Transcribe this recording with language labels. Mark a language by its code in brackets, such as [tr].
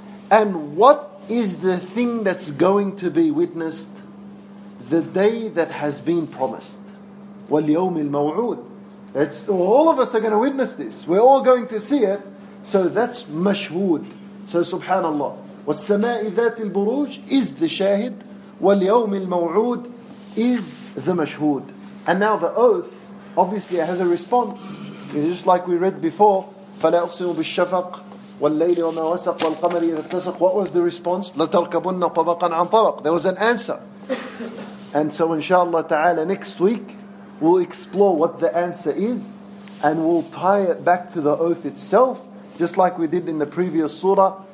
[en] And what is the thing that's going to be witnessed the day that has been promised? [ar] وَالْيَوْمِ الْمَوْعُودِ. [en] All of us are going to witness this. We're all going to see it. So that's مَشْهُود. So subhanAllah. [ar] وَالسَّمَاءِ ذَاتِ الْبُرُوجِ [en] is the shahid. [ar] وَالْيَوْمِ الْمَوْعُودِ [en] is the [ar] مَشْهُود. [en] And now the oath, obviously it has a response. It's just like we read before. [ar] فَلَا أُقْسِمُ بِالشَّفَقِ وَاللَّيْلِ وَمَا وَسَقَ وَالْقَمَرِ إِذَا اتَّسَقَ. [en] What was the response? [ar] لَتَرْكَبُنَّ طَبَقًا عَنْ طَبَقٍ. [en] There was an answer. And so inshallah ta'ala, next week we'll explore what the answer is, and we'll tie it back to the oath itself, just like we did in the previous surah.